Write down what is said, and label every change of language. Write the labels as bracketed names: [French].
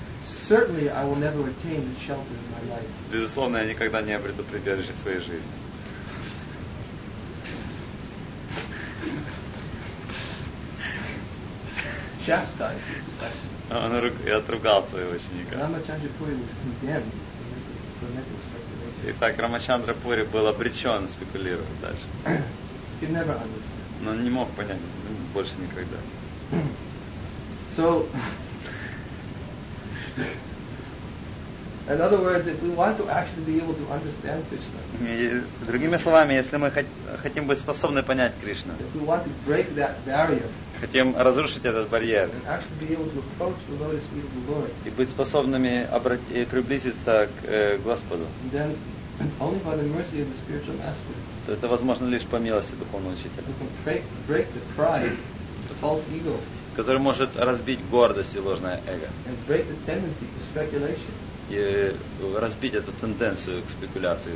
[English] certainly, I will never attain the shelter in my life. [Russian] Безусловно, я никогда не обрету прибежище в своей жизни. [English] Chastised. [Russian] Он отругал своего ученика. [English] Рамачандра Пури was condemned for mental speculation. [Russian] Итак, Рамачандра Пури был обречен спекулировать дальше. [English] He never understood. [Russian] Но не мог понять больше никогда. [English] So. In other words, if we want to actually be able to understand Krishna. [Russian] Другими словами, если мы хотим быть способны понять Кришну. [English] If we want to break that barrier. [Russian] Хотим разрушить этот барьер. [English] And actually be able to approach the lotus feet of the Lord. [Russian] И быть способными приблизиться к Господу. [English] Then only by the mercy of the spiritual master. [Russian] Это возможно лишь по милости духовного учителя. [English] We can break the pride, the false ego. [Russian] Который может разбить гордость и ложное эго. [English] And break the tendency to speculation. [Russian] И разбить эту тенденцию к спекуляции и